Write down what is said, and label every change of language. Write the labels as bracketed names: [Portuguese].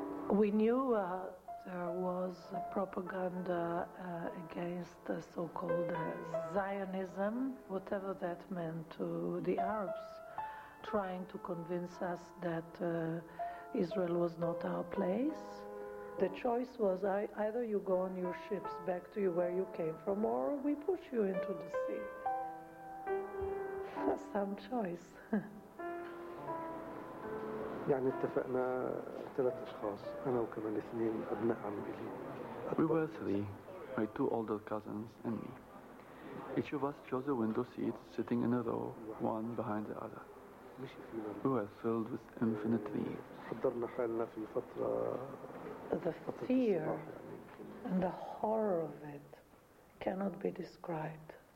[English] We knew there was propaganda against the so-called Zionism, whatever that meant to the Arabs, trying to convince us that Israel was not our place. The choice was either you go on your ships back to where you came from, or we push you into the sea. Some choice. [Arabic] يعني اتفقنا ثلاث اشخاص انا وكمان اثنين ابناء عمي. [English] We were three, my two older cousins and me. Each of us chose a window seat, sitting in a row, one behind the other. We were filled with infinite dreams. [Arabic] حضرنا حالنا في فترة [English] the fear and the horror of it cannot be described.